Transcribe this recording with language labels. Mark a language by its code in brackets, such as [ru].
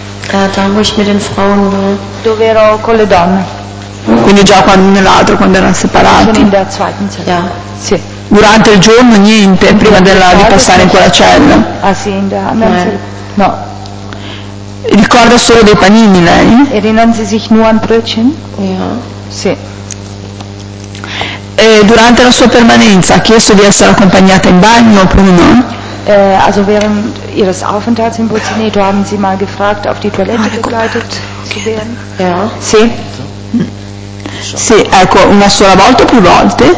[de] Da wo ich mit den Frauen war. [it] Dove ero con le donne. Quindi già nell'altro, quando erano separati. [de] In der zweiten Zelle. Ja. [it] Sì. Durante il giorno niente, prima di passare in quella cella. [de] Ah sì, in der anderen Zelle. No. [it] Ricorda solo dei panini, lei? [de] Erinnern Sie sich nur an Brötchen? Ja. [it] Sì. Durante la sua permanenza ha chiesto di essere accompagnata in bagno oppure no? [de] Also während Ihres Aufenthalts in Bolzaneto haben Sie mal gefragt, auf die Toilette begleitet zu werden? Ja. [it] Sì. Sì, ecco, una sola volta o più volte?